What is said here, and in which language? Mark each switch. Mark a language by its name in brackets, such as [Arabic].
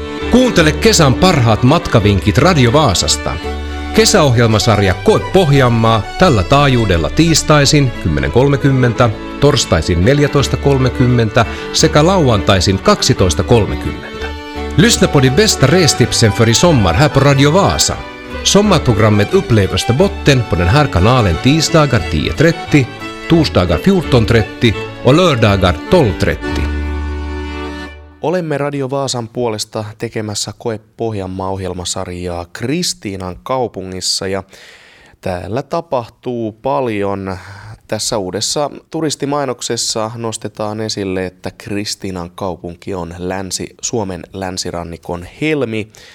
[Finnish] Kuuntele kesän parhaat matkavinkit Radio Vaasasta. Kesäohjelmasarja Koe Pohjanmaa tällä taajuudella tiistaisin 10.30, torstaisin 14.30 sekä lauantaisin 12.30. [Swedish] Lyssna på de bästa restipsen för i sommar här på Radio Vaasa. Sommarprogrammet upplevs på botten på den här kanalen tisdagar 10.30, torsdagar 14.30 och lördagar 12.30. [Finnish] Olemme Radio Vaasan puolesta tekemässä Koe Pohjanmaa-ohjelmasarjaa Kristiinan kaupungissa ja täällä tapahtuu paljon. Tässä uudessa turistimainoksessa nostetaan esille, että Kristiinan kaupunki on Suomen länsirannikon helmi.